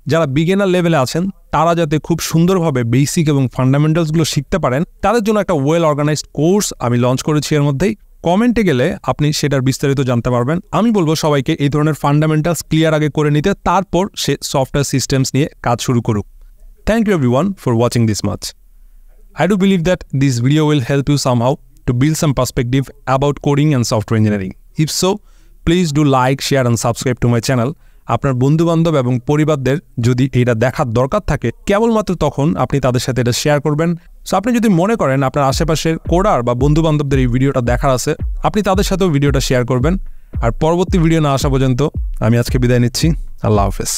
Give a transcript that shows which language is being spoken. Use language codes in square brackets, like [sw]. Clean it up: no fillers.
[bn] যারা বিগিনার লেভেলে আছেন তারা যাতে খুব সুন্দরভাবে বেসিক এবং ফান্ডামেন্টালসগুলো শিখতে পারেন, তাদের জন্য একটা ওয়েল অর্গানাইজড কোর্স আমি লঞ্চ করেছি। এর মধ্যেই কমেন্টে গেলে আপনি সেটার বিস্তারিত জানতে পারবেন। আমি বলবো সবাইকে এই ধরনের ফান্ডামেন্টালস ক্লিয়ার আগে করে নিতে, তারপর সে সফটওয়্যার সিস্টেমস নিয়ে কাজ শুরু করুক। [en] Thank you everyone for watching this much. I do believe that this video will help you somehow to build some perspective about coding and software engineering. If so, please do like, share and subscribe to my channel. [bn] আপনার বন্ধুবান্ধব এবং পরিবারদের যদি এটা দেখার দরকার থাকে কেবলমাত্র তখন আপনি তাদের সাথে এটা শেয়ার করবেন। সো আপনি যদি মনে করেন আপনার আশেপাশের কোডার বা বন্ধুবান্ধবদের এই ভিডিওটা দেখার আছে আপনি তাদের সাথেও ভিডিওটা শেয়ার করবেন। আর পরবর্তী ভিডিও না আসা পর্যন্ত আমি আজকে বিদায় নিচ্ছি। আল্লাহ হাফেজ।